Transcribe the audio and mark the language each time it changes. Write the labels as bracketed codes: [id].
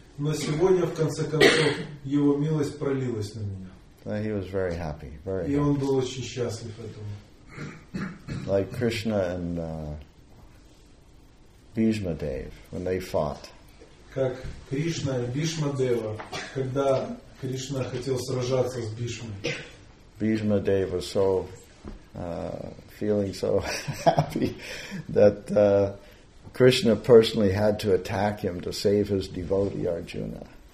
[ru] Но сегодня, в конце концов, его милость пролилась на меня. [en] So he was very happy, very happy. [ru] И он был очень счастлив этому. [en] Like Krishna and Bhishma Dev, when they fought. [ru] Как Кришна и Бишма Дева, когда Кришна хотел сражаться с Бишмой. [en] Bhishma Dev was so feeling so happy that Krishna personally had to attack him to save his devotee Arjuna.